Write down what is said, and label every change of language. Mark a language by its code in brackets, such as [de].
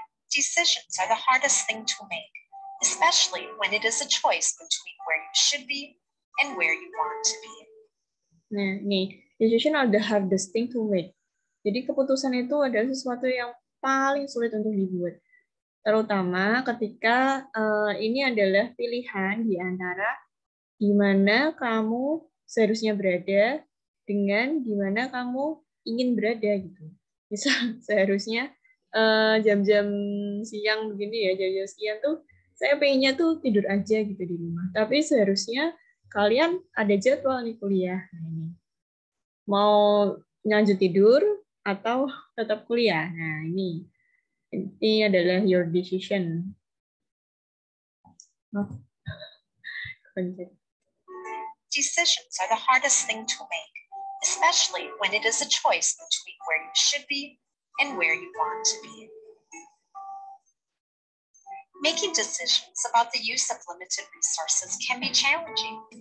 [en] Decisions are the hardest thing to make, especially when it is a choice between where you should be and where you want to be. [id] Nah, nih, [en] decision are the hardest thing to make. [id] Jadi keputusan itu adalah sesuatu yang paling sulit untuk dibuat. Terutama ketika ini adalah pilihan di antara di mana kamu seharusnya berada dengan di mana kamu ingin berada gitu. Misal seharusnya jam-jam siang begini ya, jam-jam siang tuh saya pengennya tuh tidur aja gitu di rumah. Tapi seharusnya kalian ada jadwal nih kuliah. Nah, ini. Mau lanjut tidur atau tetap kuliah? Nah, ini adalah [en] your decision. Oh. Decisions are the hardest thing to make, especially when it is a choice between where you should be and where you want to be. Making decisions about the use of limited resources can be challenging.